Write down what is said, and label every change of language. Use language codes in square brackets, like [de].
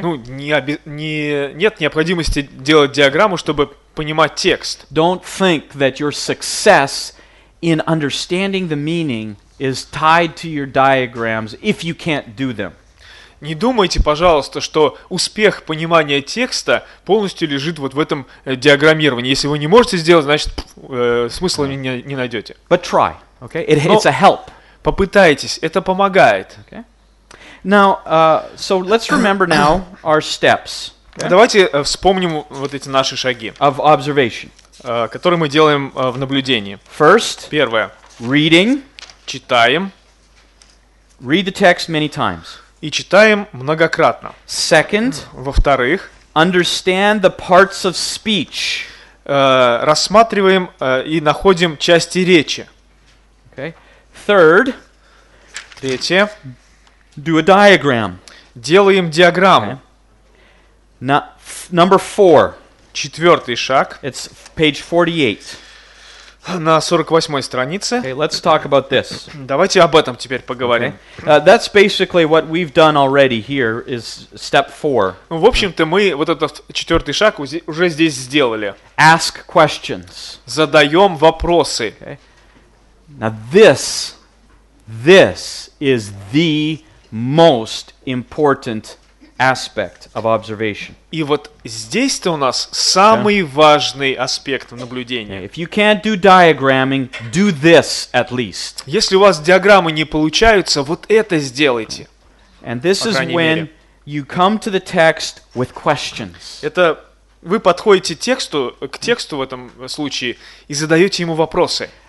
[ru] Ну, нет необходимости делать диаграмму, чтобы понимать текст. [en] Don't think that your success in understanding the meaning is tied to your diagrams if you can't do them. [ru] Не думайте, пожалуйста, что успех понимания текста полностью лежит вот в этом диаграммировании. Если вы не можете сделать, значит, смысла не найдете. [en] But try, okay? It's a help. [ru] Попытайтесь, это помогает. [en] Okay? Now, so let's remember now our steps. Okay? [ru] Давайте вспомним вот эти наши шаги. [en] Of observation. [ru] Которые мы делаем в наблюдении. [en] First. [ru] Первое. [en] Reading. [ru] Читаем. [en] Read the text many times. [ru] И читаем многократно. [en] Second. [ru] Во-вторых. [en] Understand the parts of speech. [ru] Рассматриваем и находим части речи. [en] Okay. Third. [ru] Третье. [en] Do a diagram. [ru] Делаем диаграмму. [en] Okay. Number four. [ru] Четвертый шаг. [en] It's page 48. [ru] На 48-й странице. [en] Okay, let's talk about this. [ru] Давайте об этом теперь поговорим. [en] Okay. That's basically what we've done already here is step four. [ru] Ну, в общем-то, мы вот этот четвертый шаг уже здесь сделали. [en] Ask questions. [ru] Задаем вопросы. [en] Okay. Now this is the most important aspect of observation. [ru] И вот здесь-то у нас самый важный аспект в наблюдении. [en] If you can't do diagramming, do this at least. [ru] Если у вас диаграммы не получаются, вот это сделайте. [en] And this is when you come to the text with questions. [ru] Это вы подходите к тексту в этом случае и задаете ему вопросы.